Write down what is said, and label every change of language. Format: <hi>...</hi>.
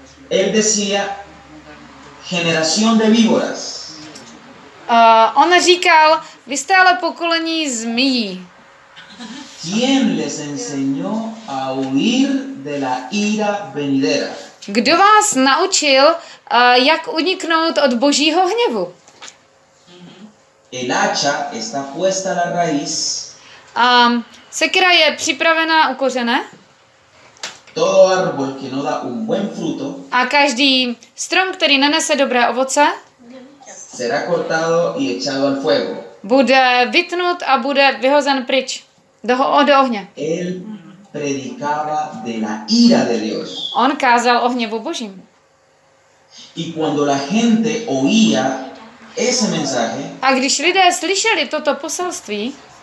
<es>Él decía generación de víboras.</es> <cs>On říkal, vy jste ale pokolení zmíjí.</cs> <es>¿Quién les enseñó a huir de la ira venidera?</es> <cs>Kdo vás naučil, jak uniknout od Božího hněvu?</cs> <es>El hacha está puesta a la raíz.</es> <cs>Sekera je připravená u kořene.</cs> <es>Todo árbol que no da un buen fruto.</es> <cs>A každý strom, který nenese dobré ovoce,</cs> <es>será cortado y echado al fuego.</es> <cs>Bude vytnut a bude vyhozen pryč. Do ohně.</cs> <es>Él predicaba de la ira de Dios.</es> <cs>On kázal o hněvu Božím.</cs> <es>Y cuando la gente oía ese mensaje,</es> <cs>a když lidé slyšeli toto poselství,</cs>